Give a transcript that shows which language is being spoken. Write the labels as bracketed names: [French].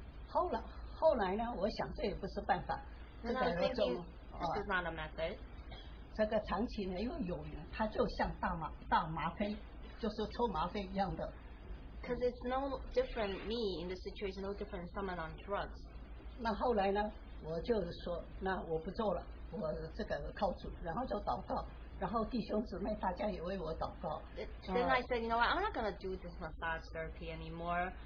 [Chinese] 后来呢，我想这也不是办法。这个这种， [English] this is not a method. [Chinese] 这个长期呢又有人，他就像大麻，大麻黑，就是抽麻黑一样的。 [English] Because it's no different me in the situation, no different someone on drugs. [Chinese] 那后来呢，我就是说，那我不做了，我这个靠主，然后就祷告。然后弟兄姊妹大家也为我祷告。 [English] Then I said, you know what, I'm not going to do this massage therapy anymore.